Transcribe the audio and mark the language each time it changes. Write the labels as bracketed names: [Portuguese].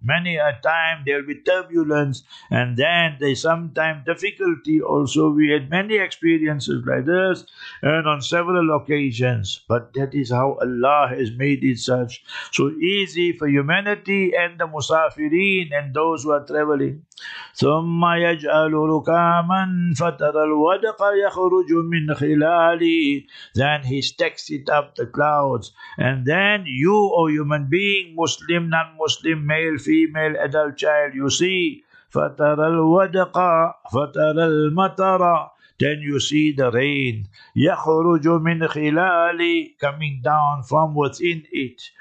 [English] Many a time there will be turbulence and then there is sometimes difficulty also. We had many experiences like this and on several occasions. But that is how Allah has made it such. So easy for humanity and the musafirin and those who are traveling. [Arabic] ثم يجعل ركاما فترى الودق يخرج من خلاله. [English] Then he stacks it up the clouds. And then you, O human being, Muslim, non-Muslim, male, female, adult, child, you see. [Arabic] فترى الودق فترى المطر. [English] Then you see the rain, [Arabic] يَخُرُجُ مِنْ خِلَالِ, [English] coming down from within it.